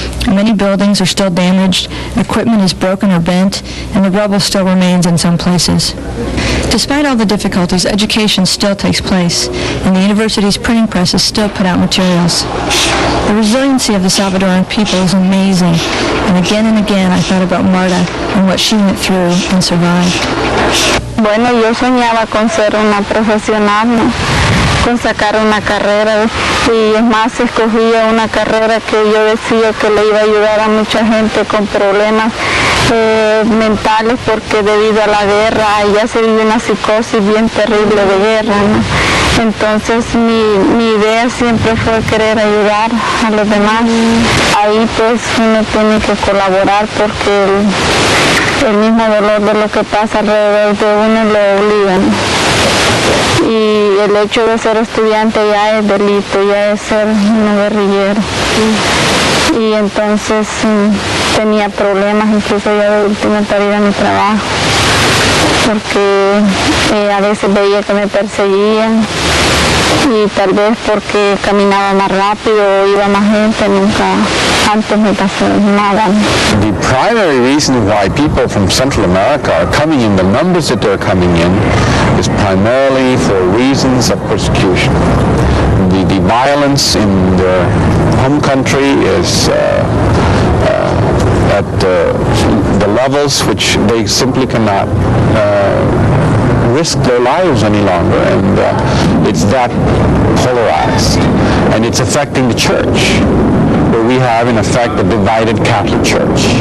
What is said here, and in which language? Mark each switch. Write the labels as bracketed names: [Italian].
[English] Many buildings are still damaged, equipment is broken or bent, and the rubble still remains in some places. Despite all the difficulties, education still takes place, and the university's printing presses still put out materials. The resiliency of the Salvadoran people is amazing, and again I thought about Marta and what she went through and survived. [Spanish] Bueno, yo soñaba con ser una profesional, ¿no? Con sacar una carrera, y es más, escogía una carrera que yo decía que le iba a ayudar a mucha gente con problemas mentales, porque debido a la guerra, ya se vive una psicosis bien terrible de guerra, ¿no? Entonces mi idea siempre fue querer ayudar a los demás. Ahí pues uno tiene que colaborar porque el mismo dolor de lo que pasa alrededor de uno lo obliga, ¿no? Y el hecho de ser estudiante ya es delito, ya es ser un guerrillero. Y entonces tenía problemas, incluso ya de última tarea en mi trabajo, porque a veces veía que me perseguían, y tal vez porque caminaba más rápido o iba más gente, nunca antes me pasó nada. [English] The primary reason why people from Central America are coming in, the numbers that they're coming in, is primarily for reasons of persecution. The violence in their home country is at the levels which they simply cannot risk their lives any longer, and it's that polarized, and it's affecting the church, where we have in effect a divided Catholic Church.